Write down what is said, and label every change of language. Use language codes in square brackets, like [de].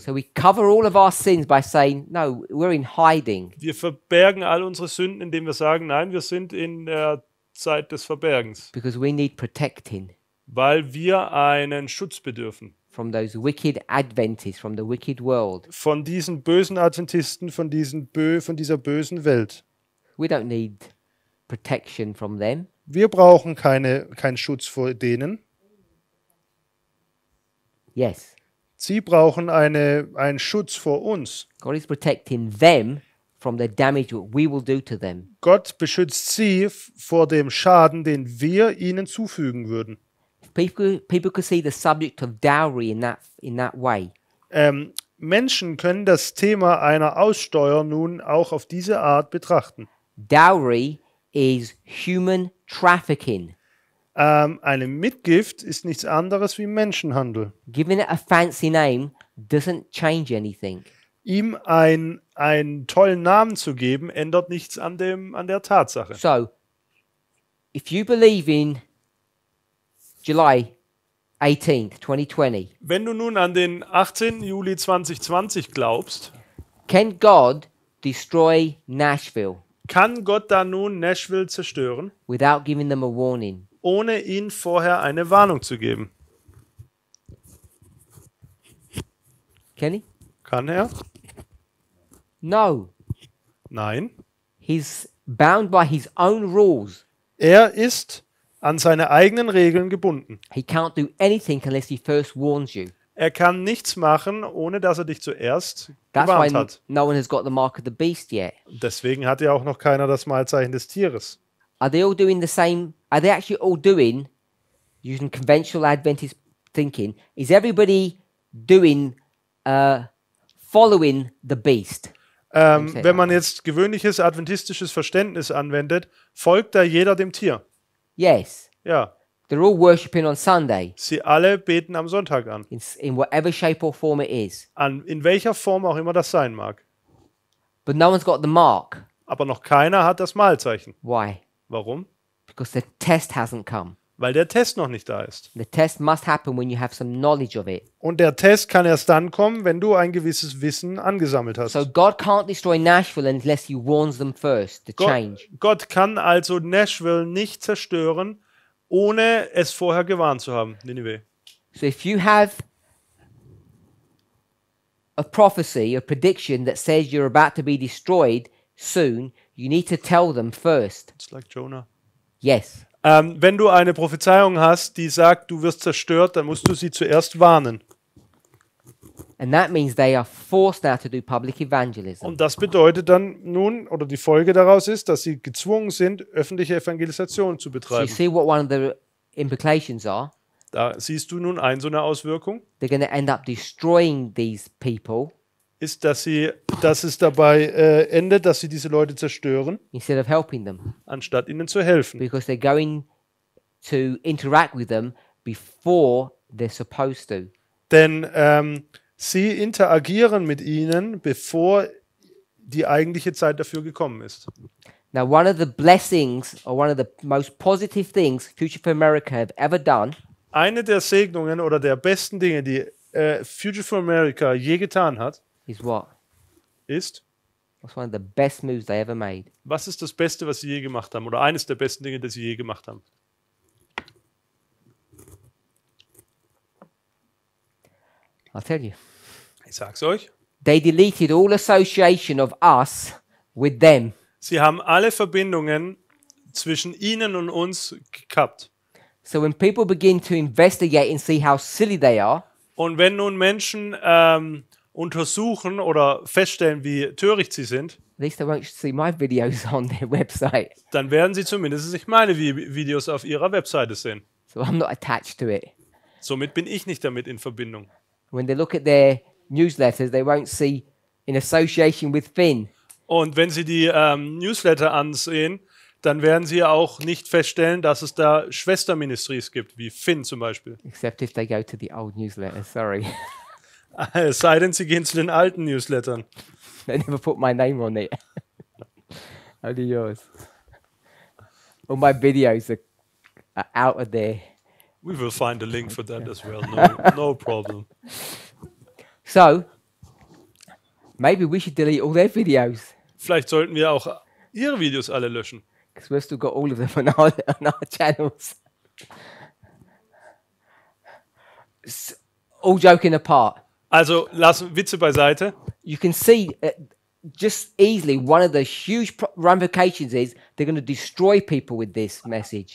[en] So we cover all of our sins by saying no, we're in hiding. [de] Wir verbergen all unsere Sünden, indem wir sagen, nein, wir sind in der Zeit des Verbergens. [en] Because we need protecting. [de] Weil wir einen Schutz bedürfen. [en] From those wicked Adventists, from the wicked world. [de] Von diesen bösen Adventisten, von dieser bösen Welt. [en] We don't need protection from them. [de] Wir brauchen keinen Schutz vor denen. [en] Yes. [de] Sie brauchen einen Schutz vor uns. [en] God is protecting them from the damage we will do to them. [de] Gott beschützt sie vor dem Schaden, den wir ihnen zufügen würden. [en] People could see the subject of dowry in that way. [de] Menschen können das Thema einer Aussteuer nun auch auf diese Art betrachten. [en] Dowry is human trafficking. [de] Eine Mitgift ist nichts anderes wie Menschenhandel. [en] Giving it a fancy name doesn't change anything. [de] Ihm einen tollen Namen zu geben ändert nichts an der Tatsache. [en] So, if you believe in July 18th, 2020. [de] Wenn du nun an den 18. Juli 2020 glaubst, [en] can God destroy Nashville? [de] Kann Gott da nun Nashville zerstören? [en] Without giving them a warning. [de] Ohne ihnen vorher eine Warnung zu geben. [en] Kenny? [de] Kann er? [en] No. [de] Nein. [en] He's bound by his own rules. [de] Er ist an seine eigenen Regeln gebunden. [en] He can't do anything unless he first warns you. [de] Er kann nichts machen, ohne dass er dich zuerst gewarnt hat. [en] No one has got the mark of the beast yet. [de] Deswegen hat ja auch noch keiner das Malzeichen des Tieres. [en] Are they all doing the same? Are they actually all doing, using conventional Adventist thinking, is everybody doing, following the beast? [de] Wenn man jetzt gewöhnliches adventistisches Verständnis anwendet, folgt da jeder dem Tier? [en] Yes. [de] Ja. [en] They're all worshiping on Sunday. [de] Sie alle beten am Sonntag an. [en] In whatever shape or form it is. [de] In welcher Form auch immer das sein mag. [en] But no one's got the mark. [de] Aber noch keiner hat das Malzeichen. [en] Why? [de] Warum? [en] Because the test hasn't come. [de] Weil der Test noch nicht da ist. [en] The test must happen when you have some knowledge of it. [de] Und der Test kann erst dann kommen, wenn du ein gewisses Wissen angesammelt hast. [en] So God can't destroy Nashville unless he warns them first to change. [de] Gott kann also Nashville nicht zerstören, ohne es vorher gewarnt zu haben, Ninive. [en] So if you have a prophecy, a prediction that says you're about to be destroyed soon, you need to tell them first. It's like Jonah. Yes. [de] Wenn du eine Prophezeiung hast, die sagt, du wirst zerstört, dann musst du sie zuerst warnen. [en] And that means they are forced now to do public evangelism. [de] Und das bedeutet dann nun, oder die Folge daraus ist, dass sie gezwungen sind, öffentliche Evangelisation zu betreiben. [en] So you see what one of the implications are. [de] Da siehst du nun ein, so eine Auswirkung. [en] They're going to end up destroying these people. [de] Ist, dass es dabei endet, dass sie diese Leute zerstören, [en] instead of helping them. [de] Anstatt ihnen zu helfen. [en] Because they're going to interact with them before they're supposed to. [de] Denn sie interagieren mit ihnen, bevor die eigentliche Zeit dafür gekommen ist. [en] Now one of the blessings or one of the most positive things Future for America have ever done. [de] Eine der Segnungen oder der besten Dinge, die Future for America je getan hat. [en] Is what? [de] Ist? [en] Was one of the best moves they ever made? [de] Was ist das Beste, was sie je gemacht haben, oder eines der besten Dinge, das sie je gemacht haben? [en] I'll tell you. [de] Ich sag's euch. [en] They deleted all association of us with them. [de] Sie haben alle Verbindungen zwischen ihnen und uns gekappt. [en] So when people begin to investigate and see how silly they are. [de] Und wenn nun Menschen untersuchen oder feststellen, wie töricht sie sind, [en] at least they won't see my videos on their website. [de] Dann werden sie zumindest nicht meine Videos auf ihrer Webseite sehen. [en] So I'm not attached to it. [de] Somit bin ich nicht damit in Verbindung. [en] When they look at their newsletters, they won't see in association with Finn. [de] Und wenn sie die Newsletter ansehen, dann werden sie auch nicht feststellen, dass es da Schwesterministries gibt, wie Finn zum Beispiel. [en] Except if they go to the old newsletter, sorry. [de] Es sei denn, sie gehen zu den alten Newslettern. [en] They never put my name on it. Only yours. All my videos are out of there. We will find a link for that as well. No, no problem. So, maybe we should delete all their videos. [de] Vielleicht sollten wir auch ihre Videos alle löschen. [en] Because we've still got all of them on our channels. So, all joking apart. [de] Also, lass Witze beiseite. [en] You can see just easily one of the huge ramifications is they're going to destroy people with this message.